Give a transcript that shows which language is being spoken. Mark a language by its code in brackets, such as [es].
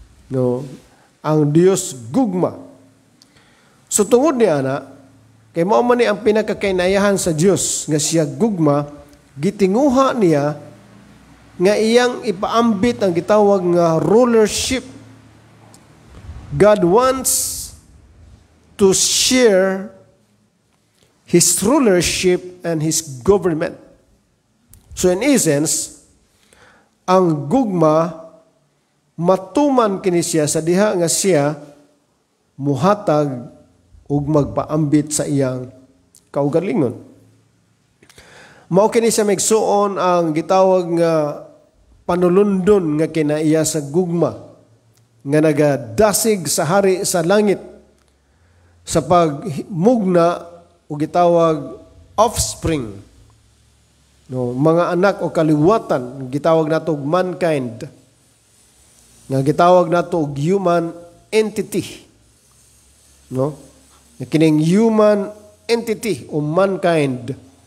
[ceb] No, ang Dios gugma. So tungod ni ana, kay mao man ni ang pinakakinaiyahan sa Dios nga siya gugma, gitinguha niya nga iyang ipaambit ang gitawag nga rulership. [en] God wants to share His rulership and His government. So in essence, [ceb] ang gugma matuman kini siya sa diha nga siya muhatag ug magpaambit sa iyang kaugalingon. Mao kini siya magsuon ang gitawag nga panulundon nga kinaiya sa gugma nga nagadasig sa hari sa langit sa pagmugna o gitawag offspring, no, mga anak o kaliwatan, gitawag nato mankind, nga gitawag nato human entity, no, kining human entity o mankind,